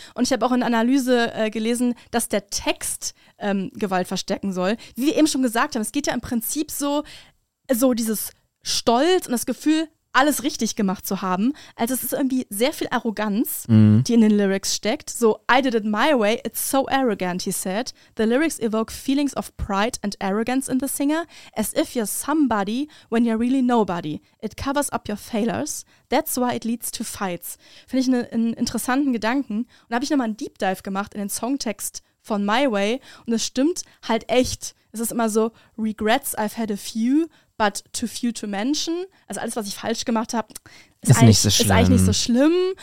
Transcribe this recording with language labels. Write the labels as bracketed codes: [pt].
[de] Und ich habe auch in Analyse gelesen, dass der Text Gewalt verstärken soll. Wie wir eben schon gesagt haben, es geht ja im Prinzip so dieses Stolz und das Gefühl, alles richtig gemacht zu haben. Also es ist irgendwie sehr viel Arroganz, die in den Lyrics steckt. [en] So, I did it my way, it's so arrogant, he said. The lyrics evoke feelings of pride and arrogance in the singer. As if you're somebody when you're really nobody. It covers up your failures. That's why it leads to fights. [de] Finde ich einen interessanten Gedanken. Und da habe ich nochmal einen Deep Dive gemacht in den Songtext von My Way. Und es stimmt halt echt. Es ist immer so, [en] regrets, I've had a few, but too few to mention. [de] Also alles, was ich falsch gemacht habe, ist eigentlich nicht so schlimm.